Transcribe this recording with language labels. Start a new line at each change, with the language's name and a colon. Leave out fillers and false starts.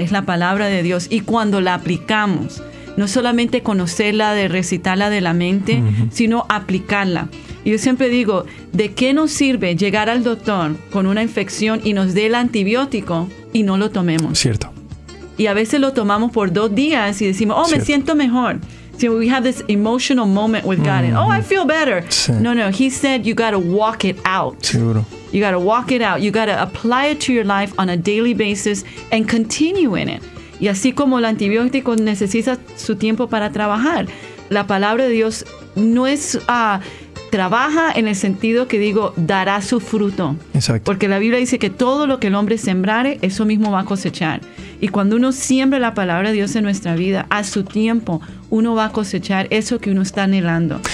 Spanish: Es la palabra de Dios. Y cuando la aplicamos, no solamente conocerla, de recitarla de la mente, sino aplicarla. Y yo siempre digo, ¿de qué nos sirve llegar al doctor con una infección y nos dé el antibiótico y no lo tomemos? Cierto. Y a veces lo tomamos por dos días y decimos, oh, me siento mejor.
English: So we have this emotional moment with God, and oh, I feel better.
Spanish: Sí.
English: No, He said you got to walk it out.
Spanish: Seguro.
English: You got to walk it out. You got to apply it to your life on a daily basis and continue in it.
Spanish: Y así como el antibiótico necesita su tiempo para trabajar, la palabra de Dios no es trabaja en el sentido que digo, dará su fruto. Exacto. Porque la Biblia dice que todo lo que el hombre sembrare, eso mismo va a cosechar. Y cuando uno siembra la palabra de Dios en nuestra vida, a su tiempo, uno va a cosechar eso que uno está anhelando.